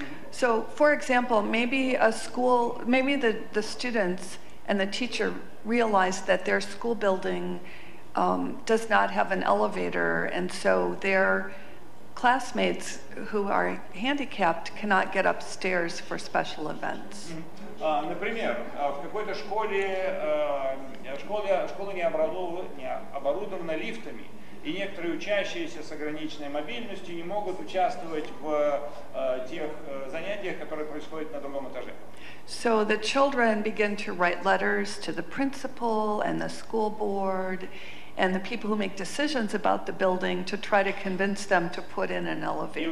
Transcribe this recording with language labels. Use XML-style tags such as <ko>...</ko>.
<en>So, for example, maybe a school, maybe the students and the teacher realize that their school building does not have an elevator, and so their classmates who are handicapped cannot get upstairs for special events.</en> <ru>Например, в какой-то школе, школа не оборудована лифтами, и некоторые учащиеся с ограниченной мобильностью не могут участвовать в тех занятиях, которые происходят на другом этаже.</ru> <en>So the children begin to write letters to the principal and the school board and the people who make decisions about the building to try to convince them to put in an elevator.</en>